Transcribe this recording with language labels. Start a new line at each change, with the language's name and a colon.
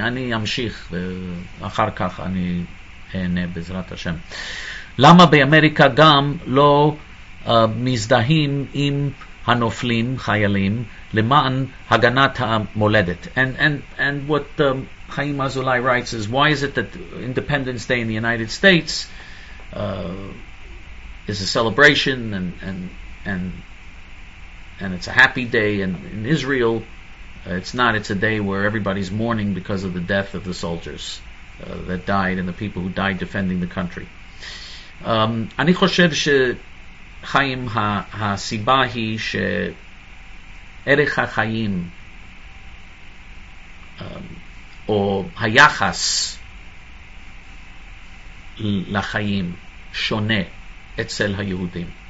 Hebrew: אני אמשיך, אחר כך אני אענה בעזרת השם. למה באמריקה גם לא מזדהים עם הנופלים, חיילים, למען הגנת המולדת?
English: And what Chaim Azulai writes is, why is it that Independence Day in the United States is a celebration and it's a happy day, and in Israel... It's not. It's a day where everybody's mourning because of the death of the soldiers that died and the people who died defending the country.
Hebrew: אני חושב ש חיים הסיבה היא שערך החיים או היחס לחיים שונה אצל היהודים.